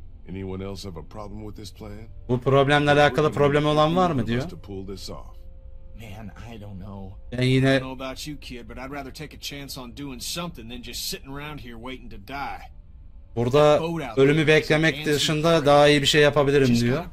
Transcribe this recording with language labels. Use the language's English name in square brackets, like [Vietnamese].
[English] Anyone else have a problem with this plan? [Turkish] Bu problemle alakalı problemi olan var mı diyor? [English] Man, I don't know. [Turkish] Yani yine... [English] I don't know about you, kid, but I'd rather take a chance on doing something than just sitting around here waiting to die. [Turkish] Burada ölümü beklemek dışında daha iyi bir şey yapabilirim diyor.